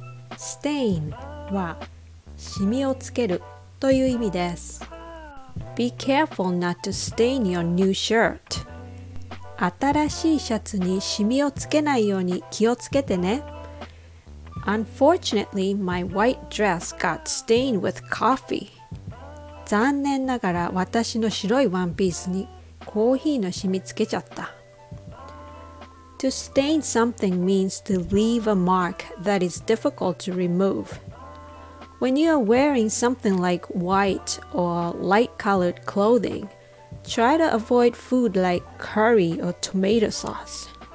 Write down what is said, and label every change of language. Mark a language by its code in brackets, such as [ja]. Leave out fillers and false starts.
[ja] stain はシミをつけるという意味です。 [en] Be careful not to stain your new shirt。 [ja] 新しいシャツにシミをつけないように気をつけてね。 [en] Unfortunately, my white dress got stained with coffee。 [ja] 残念ながら私の白いワンピースにコーヒーのシミつけちゃった。 [en] To stain something means to leave a mark that is difficult to remove. When you are wearing something like white or light-colored clothing, try to avoid food like curry or tomato sauce.